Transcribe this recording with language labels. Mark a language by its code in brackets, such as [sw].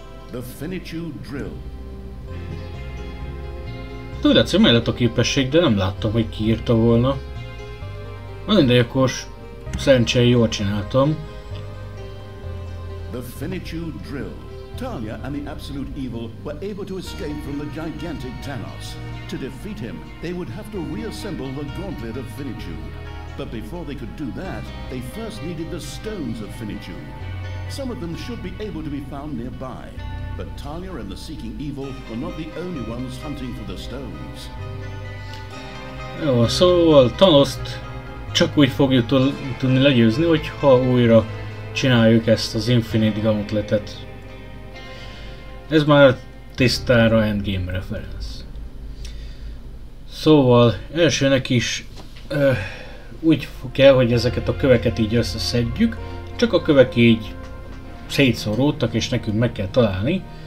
[en] The finitude drill. [hu] Tudod, hogy mellett a képesség, de nem láttam, hogy kiírta volna. Van ide, akkor szerencsére jól csináltam. [en] The finitude drill. Talia and the absolute evil were able to escape from the gigantic Thanos. To defeat him, they would have to reassemble the gauntlet of finitude. But before they could do that, they first needed the stones of finitude. Some of them should be able to be found nearby. But Talia and the seeking evil were not the only ones hunting for the stones. [hu] Jó, szóval Thanos-t csak úgy fogjuk tudni legyőzni, hogyha újra csináljuk ezt az Infinite Gauntletet. Ez már tisztára endgame referenc. Szóval elsőnek is úgy kell, hogy ezeket a köveket így összeszedjük, csak a kövek így szétszóródtak, és nekünk meg kell találni.